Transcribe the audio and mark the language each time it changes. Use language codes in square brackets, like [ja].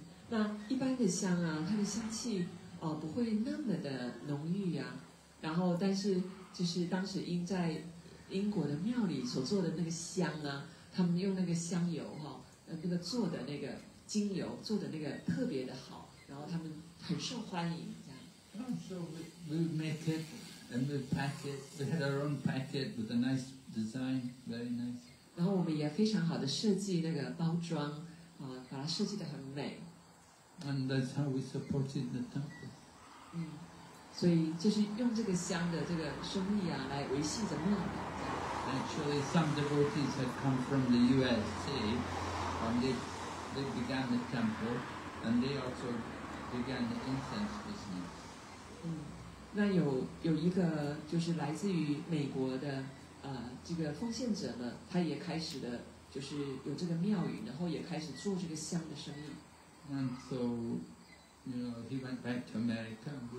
[zh] 那一般的香啊，它的香气不会那么的浓郁啊，然后但是就是当时在英国的庙里所做的那个香啊，他们用那个香油哈，那个做的那个精油做的那个特别的好，然后他们很受欢迎这样。 [en] So we make it and we pack it. We had our own packet with a nice design, very nice. [zh] 然后我们也非常好的设计那个包装，把它设计得很美。 [en] And that's how we supported the temple. [zh] 所以就是用这个香的这个生意啊，来维系着庙里。 [en] Actually, some devotees had come from the USA, and they began the temple, and they also began the incense business. [zh] 那有一个就是来自于美国的。这个奉献者呢，他也开始了，就是有这个庙宇，然后也开始做这个香的生意。 [en] And so, you know, he went back to America.